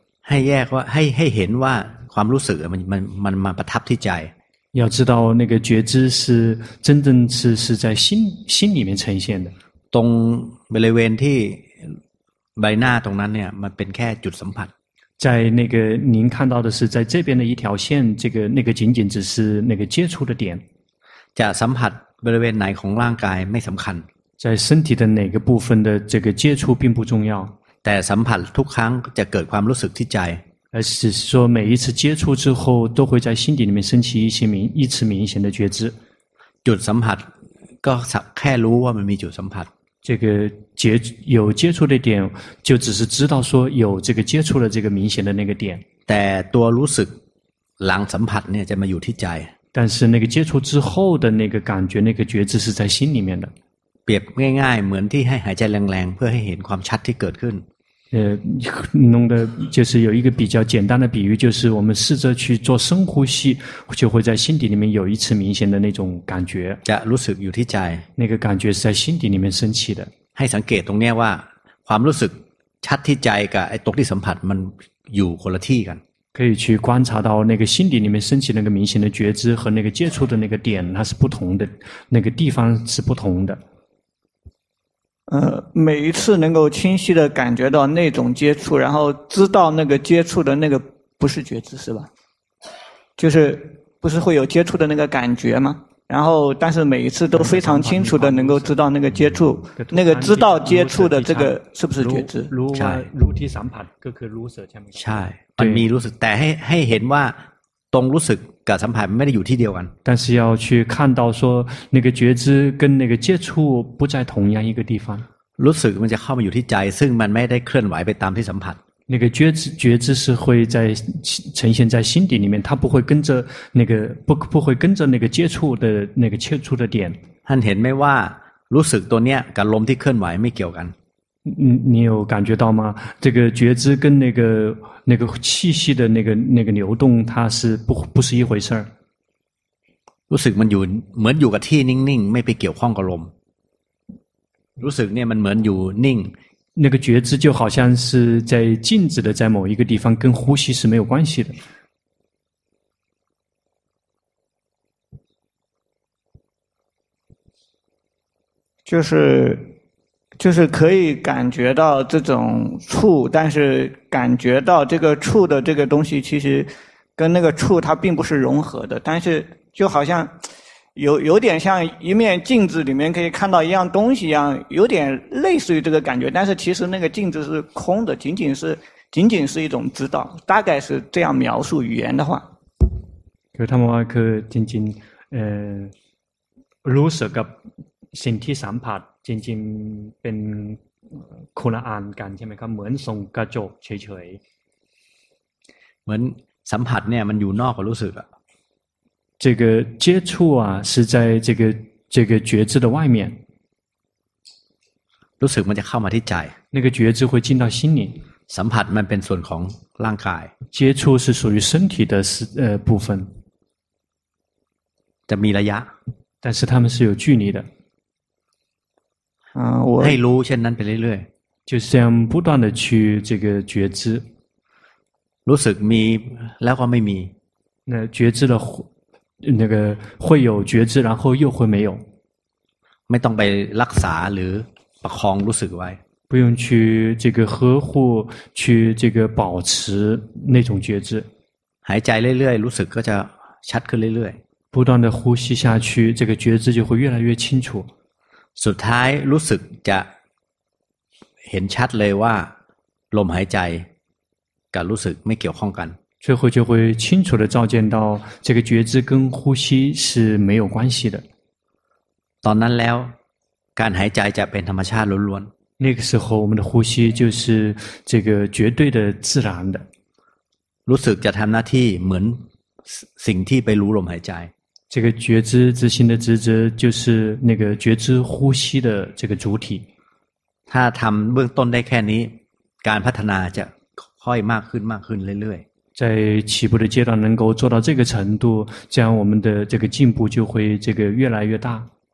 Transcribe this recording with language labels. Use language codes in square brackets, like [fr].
[th] ให้แยกว่าให้เห็นว่าความรู้สึกมันมาประทับที่ใจ [zh] 要知道那个觉知是真正是在心里面呈现的 [th] ตรงบริเวณที่ใบหน้าตรงนั้นเนี่ยมันเป็นแค่จุดสัมผัส [zh] 在那个您看到的是在这边的一条线这个那个仅仅只是那个接触的点 [th] จะสัมผัสบริเวณไหนของร่างกายไม่สำคัญ [zh] 在身体的哪个部分的这个接触并不重要 [th] แต่สัมผัสทุกครั้งจะเกิดความรู้สึกที่ใจ [zh] 而是说每一次接触之后都会在心底里面升起一次明显的觉知 [th] จุดสัมผัสก็แค่รู้ว่ามันมีจุดสัมผัส [zh] 这个有接触的点就只是知道说有这个接触的这个明显的那个点 [th] แต่ตัวรู้สึกหลังสัมผัสเนี่ยจะมาอยู่ที่ใจ [zh] 但是那个接触之后的那个感觉那个觉知是在心里面的 [th] เปรียบง่ายๆเหมือนที่ให้หายใจแรงๆเพื่อให้เห็นความชัดที่เกิดขึ้น [zh] 弄的就是有一个比较简单的比喻就是我们试着去做深呼吸就会在心底里面有一次明显的那种感觉 [th] จะรู้สึกอยู่ที่ใจ [zh] 那个感觉是在心底里面升起的 [th] ให้สังเกตตรงนี้ว่าความรู้สึกชัดที่ใจกับไอ้ตรงที่สัมผัสมันอยู่คนละที่กัน [zh] 可以去观察到那个心底里面升起那个明显的觉知和那个接触的那个点它是不同的那个地方是不同的每一次能够清晰的感觉到那种接触然后知道那个接触的那个不是觉知是吧就是不是会有接触的那个感觉吗然后但是每一次都非常清楚的能够知道那个接触那个知道接触的这个是不是觉知如提三盘各个如舍前面对你如舍但 [th] ให้เห็นว่าตรงรู้สึกกับสัมผัสไม่ได้อยู่ที่เดียวกัน [zh] 但是要去看到说那个觉知跟那个接触不在同样一个地方 [th] รู้สึกมันจะเข้ามาอยู่ที่ใจซึ่งมันไม่ได้เคลื่อนไหวไปตามที่สัมผัส [zh] 那个觉知觉知是会在呈现在心底里面它不会跟着那个不会跟着那个接触的那个接触的点 [th] ท่านเห็นไหมว่ารู้สึกตัวเนี้ยกับลมที่เคลื่อนไหวไม่เกี่ยวกัน [zh] 你有感觉到吗这个觉知跟那个气息的那个流动它是不是一回事 [th] รู้สึกมันอยู่เหมือนอยู่กับที่นิ่งๆไม่ไปเกี่ยวข้องกับลมรู้สึกเนี่ยมันเหมือนอยู่นิ่ง [zh] 那个觉知就好像是在静止的在某一个地方跟呼吸是没有关系的就是可以感觉到这种触但是感觉到这个触的这个东西其实跟那个触它并不是融合的但是就好像有点像一面镜子里面可以看到一样东西一样有点类似于这个感觉但是其实那个镜子是空的仅仅是一种指导大概是这样描述语言的话 그렇다면그仅仅 [th] รู้สึกกับสิ่งที่สัมผัสจริงๆเป็นคนละอันกันใช่ไหมครับเหมือนส่งกระจกเฉย ๆเหมือนสัมผัสเนี่ยมันอยู่นอกกับรู้สึกอะ [zh] 这个接触啊是在这个觉知的外面 [th] รู้สึกมันจะเข้ามาที่ใจ [zh] 那个觉知会进到心里 [th] สัมผัสมันเป็นส่วนของร่างกาย [zh] 接触是属于身体的部分 [th] จะมีระยะ [zh] 但是他们是有距离的 [th] ให้รู้เช่นนั้นไปเรื่อย [zh] ๆ就像不断的去这个觉知 [th] รู้สึกมีแล้วก็ไม่มี [zh] 那觉知的那个会有觉知然后又会没有 [th] ไม่ต้องไปรักษาหรือประคองรู้สึกไว้ [zh] 不用去这个呵护去这个保持那种觉知 [th] หายใจเรื่อยๆรู้สึกก็จะชัดขึ้นเรื่อย [zh] ๆ不断的呼吸下去这个觉知就会越来越清楚 [th] สุดท้ายรู้สึกจะเห็นชัดเลยว่าลมหายใจกับรู้สึกไม่เกี่ยวข้องกัน [zh] 最后就会清楚地照见到这个觉知跟呼吸是没有关系的 [th] ตอนนั้นแล้วการหายใจจะเป็นธรรมชาติล้วน [zh] ๆ那个时候我们的呼吸就是这个绝对的自然的 [th] รู้สึกจะทำหน้าที่เหมือนสิ่งที่ไปรู้ลมหายใจ [zh] 这个觉知之心的职责就是那个觉知呼吸的这个主体 [th] ถ้าทำเบื้องต้นได้แค่นี้การพัฒนาจะค่อยมากขึ้นมากขึ้นเรื่อยๆ [zh] 在起步的阶段能够做到这个程度这样我们的这个进步就会这个越来越大